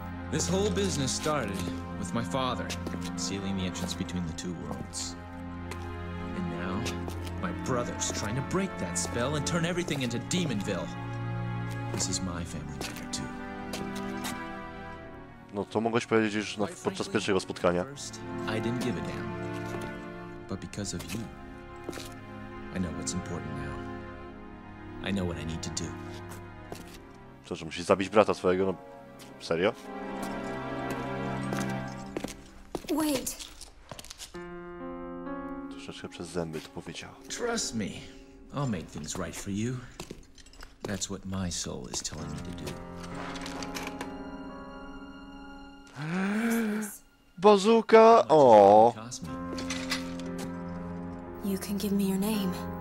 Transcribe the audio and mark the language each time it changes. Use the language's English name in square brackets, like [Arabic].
[English] This whole business started with my father sealing the entrance between the two worlds. And now, my brother's trying to break that spell and turn everything into Demonville. This is my family matter too. [Polish] No to mogłeś powiedzieć już podczas pierwszego spotkania. [English] I didn't give a damn. But because of you, I know what's important now. I know what I need to do. [Polish] Co, że musisz zabić brata swojego? No, serio? [English] Wait. [Polish] Troszeczkę przez zęby to powiedział. [English] Trust me, I'll make things right for you. That's what my soul is telling me to do. Bazooka! O. You can give me your name.